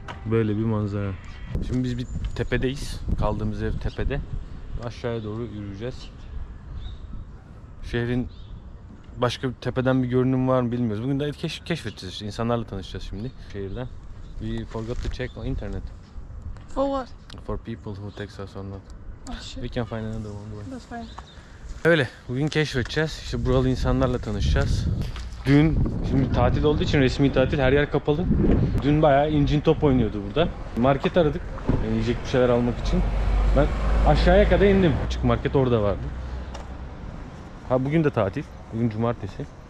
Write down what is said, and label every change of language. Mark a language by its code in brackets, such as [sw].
[tr] Böyle bir manzara. Şimdi biz bir tepedeyiz. Kaldığımız ev tepede. Aşağıya doğru yürüyeceğiz. Şehrin başka bir tepeden bir görünüm var mı bilmiyoruz. Bugün de keşfedeceğiz işte. İnsanlarla tanışacağız şimdi şehirden. [en] We forgot to check on internet. For what? For people who text us or not. We can find another one. That's fine. [tr] Öyle. Bugün keşfedeceğiz. İşte buralı insanlarla tanışacağız. Dün, şimdi tatil olduğu için resmi tatil, her yer kapalı. Dün bayağı incin top oynuyordu burada. Market aradık, yiyecek bir şeyler almak için. Ben aşağıya kadar indim. Açık market orada vardı. Ha, bugün de tatil. Bugün cumartesi.